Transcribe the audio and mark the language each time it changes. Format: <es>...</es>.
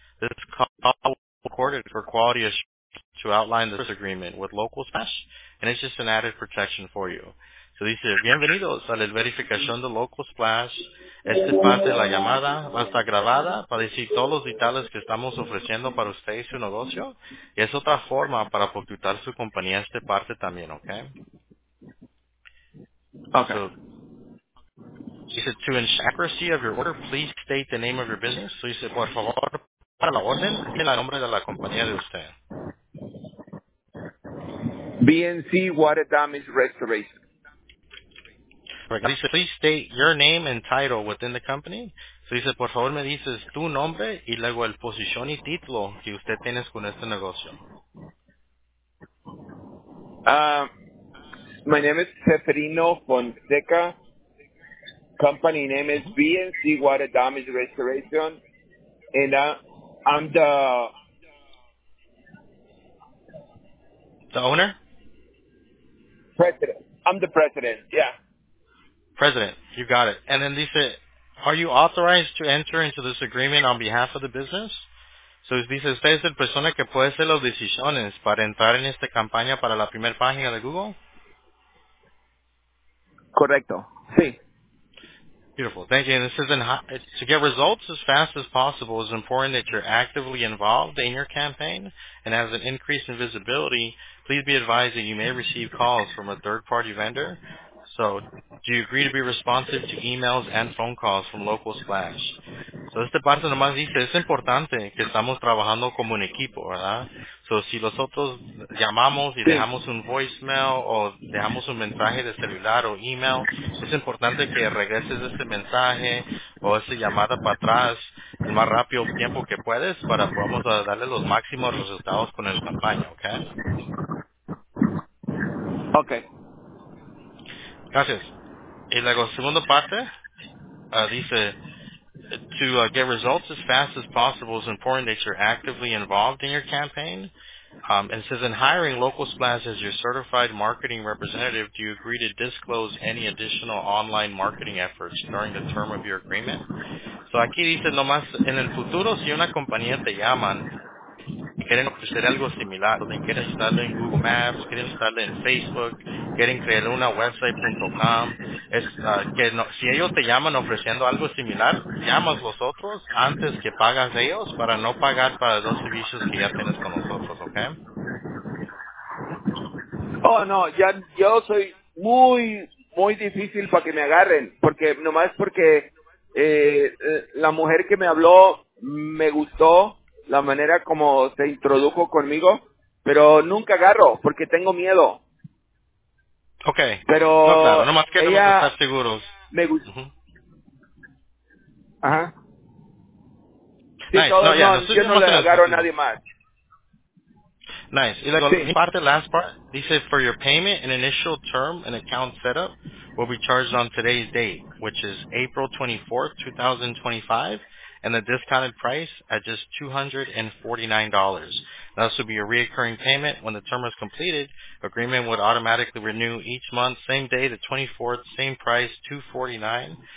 <en>This call was recorded for quality assurance to outline this agreement with Local Slash, and it's just an added protection for you.</en> <es>So dice, bienvenidos a la verificación de Local Slash. Esta parte de la llamada va a estar grabada para decir todos los detalles que estamos ofreciendo para usted y su negocio. Y es otra forma para facturar su compañía esta parte también, ¿ok?</es> <en>Okay. So, he said, to ensure accuracy of your order, please state the name of your business.</en> <es>So dice, por favor, para la orden, en el nombre de la compañía de usted.</es> <en>BNC Water Damage Restoration. Dice, please state your name and title within the company.</en> <es>So dice, por favor, me dices tu nombre y luego el posición y título que usted tienes con este negocio.</es> <en>My name is Seferino Fonseca. Company name is BNC Water Damage Restoration. And I'm the owner? I'm the president. Yeah. President, you got it. And then Lisa, are you authorized to enter into this agreement on behalf of the business?</en> <es>So dice, usted es el persona que puede hacer las decisiones para entrar en esta campaña para la primera página de Google? Correcto. Sí.</es> <en>Beautiful. Thank you. And this is to get results as fast as possible, it's important that you're actively involved in your campaign and has an increase in visibility. Please be advised that you may receive calls from a third-party vendor. So do you agree to be responsive to emails and phone calls from local Splash?</en> <es>So esta parte nomás dice, es importante que estamos trabajando como un equipo, ¿verdad? So si nosotros llamamos y dejamos un voicemail o dejamos un mensaje de celular o email, es importante que regreses ese mensaje o esa llamada para atrás el más rápido tiempo que puedes para podamos darle los máximos resultados con el campaña, ¿ok? Ok. Gracias. Y luego, segunda parte, dice,</es> <en>to get results as fast as possible, it's important that you're actively involved in your campaign. And it says, in hiring Local Splash as your certified marketing representative, do you agree to disclose any additional online marketing efforts during the term of your agreement?</en> <es>So aquí dice, nomás, en el futuro, si una compañía te llaman, quieren ofrecer algo similar, quieren estar en Google Maps, quieren estar en Facebook, quieren crear una website.com, si ellos te llaman ofreciendo algo similar, llamas a los otros antes que pagas a ellos para no pagar para los servicios que ya tienes con nosotros, ¿ok? Oh, no, ya, yo soy muy, muy difícil para que me agarren, porque nomás porque la mujer que me habló me gustó la manera como se introdujo conmigo, pero nunca agarro porque tengo miedo. Okay. Pero no, claro, no más que ella, no estás seguros. Me gusta. Uh-huh. Ajá. Sí,</es> <en>nice.</en> <es>Todos, no, yeah, no, yo no le agarro a nadie más. Nice. Y luego, sí.</es> <en>Parte, last part, dice, for your payment, an initial term and account setup will be charged on today's date, which is April 24th, 2025. And the discounted price at just $249. This will be a reoccurring payment. When the term is completed, agreement would automatically renew each month, same day, the 24th, same price, $249.</en>